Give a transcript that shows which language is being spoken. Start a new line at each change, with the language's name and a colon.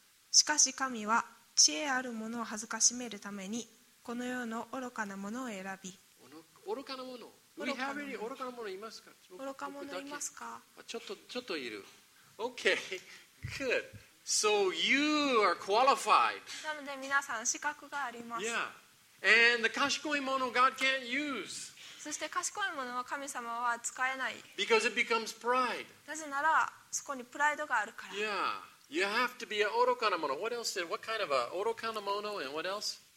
Japanese: しかし神は知恵あるものを恥ずかしめるためにこの世の愚かなものを選び。愚かなもの。
English: We have any
Japanese: 愚かなものいますか？愚か者いますか？ちょっといる。
English: Okay, good. So you are qualified.
Japanese: なので皆さん資格があります。
English: Yeah. And the 賢いものを God can't use.
Japanese: そして賢いものは神様は使えない。
English: Because it becomes pride.
Japanese: なぜならそこにプライドがあるから。
English: Yeah. You have to be a 愚かなもの。 What else? What kind of a 愚かなもの and what else?